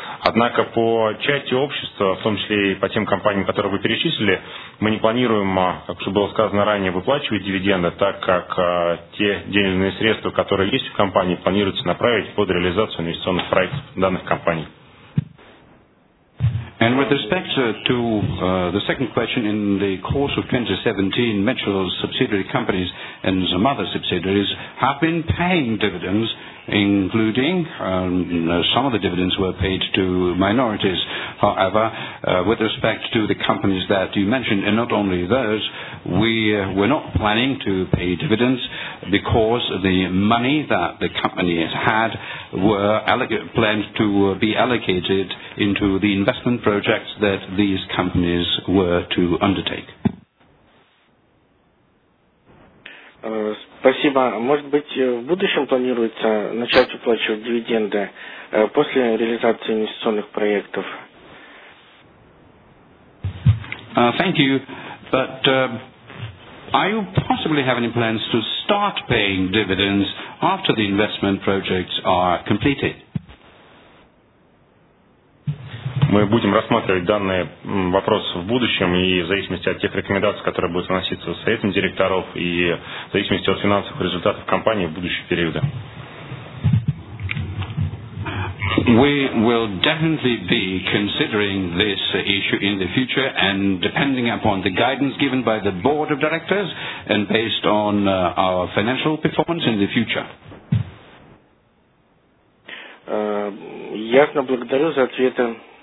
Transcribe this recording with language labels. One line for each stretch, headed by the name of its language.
Russian: Однако по части общества, в том числе и по тем компаниям, которые вы перечислили, мы не планируем, как уже было сказано ранее, выплачивать дивиденды, так как те денежные средства, которые есть в компании, планируется направить под реализацию инвестиционных проектов данных компаний.
English: And with respect to the second question, in the course of 2017, Mitchell's subsidiary companies and some other subsidiaries have been paying dividends, including some of the dividends were paid to minorities. However, with respect to the companies that you mentioned, and not only those, we're not planning to pay dividends because the money that the company has had were planned to be allocated into the investment projects that these companies were to undertake.
Russian: Спасибо. Может быть, в будущем планируется начать уплачивать дивиденды после реализации инвестиционных проектов?
English: Thank you. But are you possibly having plans to start paying dividends after the investment projects are completed?
Russian: Мы будем рассматривать данный вопрос в будущем и в зависимости от тех рекомендаций, которые будут выноситься советом директоров и в зависимости от финансовых результатов компании в будущие периоды.
English: We will definitely be considering this issue in the future and depending upon the guidance given by the board of directors and based on our financial performance in the future.
Russian: Ясно, благодарю за ответы.